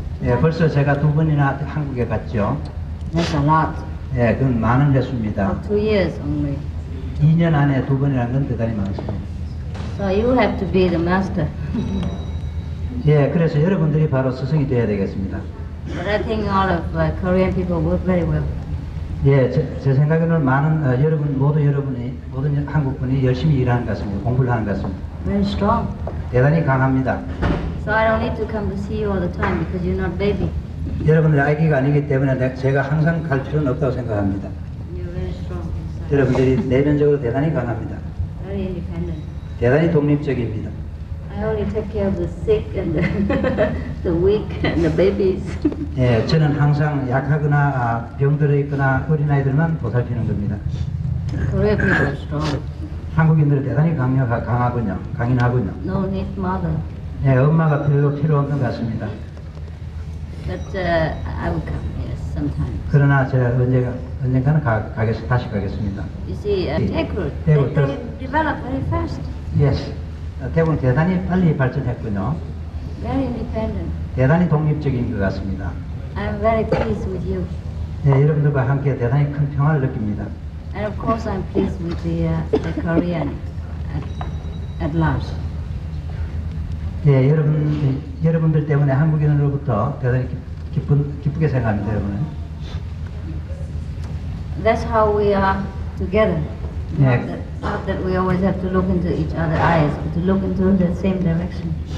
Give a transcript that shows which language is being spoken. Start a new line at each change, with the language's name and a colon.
Korean: 네, 벌써 제가 두 번이나 한국에 갔죠.
English: That's a lot.
Korean: 네, 그건 많은 횟수입니다.
English: For 2 years only.
Korean: 2년 안에 두 번이라는 건 대단히 많습니다.
English: So you have to be the master.
Korean: 네, 그래서 여러분들이 바로 스승이 되어야 되겠습니다.
English: But I think all of Korean people work very well.
Korean: 예, 제 생각에는 많은 여러분 모두 여러분이 모든 한국 분이 열심히 일하는 것 같습니다. 공부를 하는 것 같습니다.
English: Very strong.
Korean: 대단히 강합니다.
English: So I don't need to come to see you all the time because you're not baby.
Korean: 여러분들 아기가 아니기 때문에 제가 항상 갈 필요는 없다고 생각합니다.
English: You're very strong. Inside.
Korean: 여러분들이 내면적으로 대단히 강합니다.
English: Very independent.
Korean: 대단히 독립적입니다.
English: I only take care of the sick and the, the weak and the babies.
Korean: 예, 저는 항상 약하거나 병들어 있거나 어린아이들만 보살피는 겁니다.
English: Korean people are strong.
Korean: 한국인들은 대단히 강하군요. 강인하군요.
English: No need mother.
Korean: 예, 엄마가 별로 필요 없는 것 같습니다.
English: But I will come, yes, sometimes.
Korean: 그러나 제가 언젠가는 다시 가겠습니다.
English: You see, Daegu, they develop very fast. Yes.
Korean: 대구는 대단히 빨리 발전했군요.
English: Very independent.
Korean: 대단히 독립적인 것 같습니다.
English: I'm very pleased with you.
Korean: 네, 여러분들과 함께 대단히 큰 평화를 느낍니다.
English: And of course I'm pleased with the Korean at large.
Korean: 네, 여러분들 때문에 한국인으로부터 대단히 기쁘게 생각합니다, 여러분은.
English: That's how we are together. Not that we always have to look into each other's eyes, but to look into the same direction.